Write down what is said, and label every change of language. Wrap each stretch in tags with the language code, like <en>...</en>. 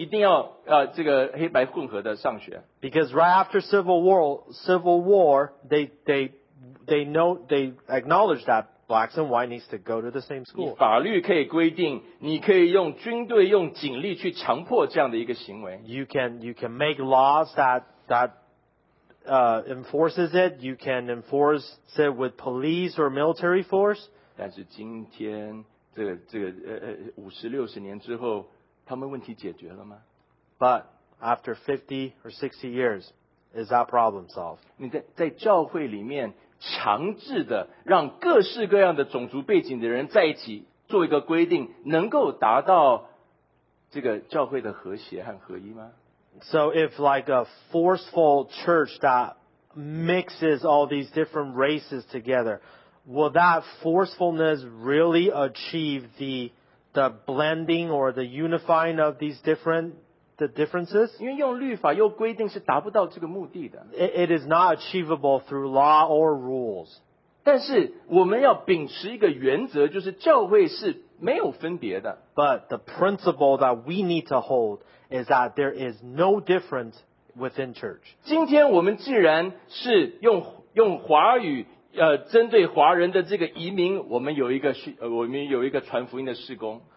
<zh>因为在内战之后,他们就说一定要这个黑白混合的上学。</zh> <en>Because right after Civil War, they acknowledge that blacks and white needs to go to the same school.</en> <zh>法律可以规定,你可以用军队用警力去强迫这样的一个行为。</zh> <en>You can make laws that enforces it. You can enforce it with police or military force.</en> <zh>但是今天,这个,五十六十年之后, 他们问题解决了吗?</zh> <en>But after 50 or 60 years, is that problem solved?</en> <zh>你在教会里面, 强制的让各式各样的种族背景的人在一起做一个规定, 能够达到这个教会的和谐和合一吗?</zh> <en>So if like a forceful church that mixes all these different races together, will that forcefulness really achieve the blending or the unifying of these differences?</en> <zh>因为用律法又规定是达不到这个目的的。</zh> <en>It is not achievable through law or rules.</en> <zh>但是我们要秉持一个原则, 就是教会是没有分别的。</zh> <en>But the principle that we need to hold is that there is no difference within church.</en> <zh>今天我们既然是用华语, 针对华人的这个移民, 我们有一个传福音的事工。</zh>